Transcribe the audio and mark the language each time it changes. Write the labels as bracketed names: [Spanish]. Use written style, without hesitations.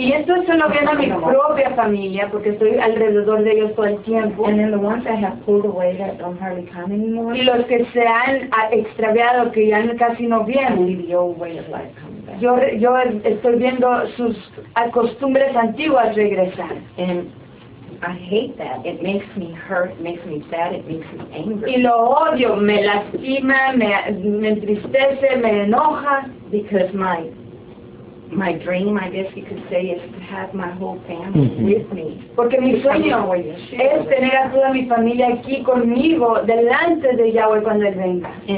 [Spanish] Y esto es solo viendo a mi propia familia. Porque estoy alrededor de ellos todo el tiempo. [English] And then the ones that have pulled away that don't hardly come anymore. [Spanish] Y los que se han extraviado que ya casi no vienen. [English] The old way of life. [Spanish] Yo estoy viendo sus costumbres antiguas regresar. [English] And I hate that. It makes me hurt, it makes me sad, it makes me angry. [Spanish] Y lo odio, me lastima, me entristece, me enoja. [English] Because my dream, I guess you could say, is to have my whole family with me. [Spanish] Porque mi sueño es tener a toda mi familia aquí conmigo, delante de Yahweh cuando Él venga.